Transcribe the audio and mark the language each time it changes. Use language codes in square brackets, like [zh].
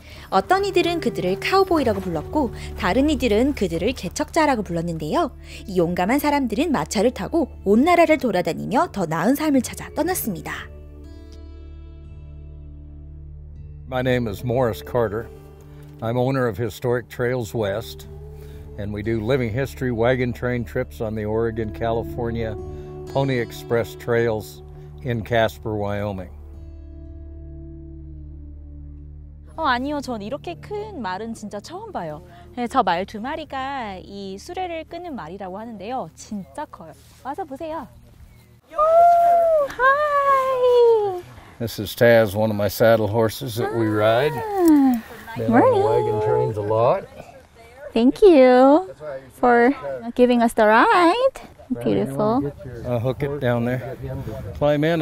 [ko] 어떤 이들은 그들을 카우보이라고 불렀고 다른 이들은 그들을 개척자라고 불렀는데요. 이 용감한 사람들은 마차를 타고 온 나라를 돌아다니며 더 나은 삶을 찾아 떠났습니다. [en] My name is Morris Carter. I'm owner of Historic Trails West and we do living history wagon train trips on the Oregon California Pony Express trails in Casper, Wyoming. [ko] 아니요, 전 이렇게 큰 말은 진짜 처음 봐요. 네, 저 말 두 마리가 이 수레를 끄는 말이라고 하는데요, 진짜 커요. 와서 보세요. 오, [en] hi. This is Taz, one of my saddle horses that we ride. Morning. Been on wagon trains a lot. Thank you for giving us the ride. Beautiful. I'll hook it down there. Climb in.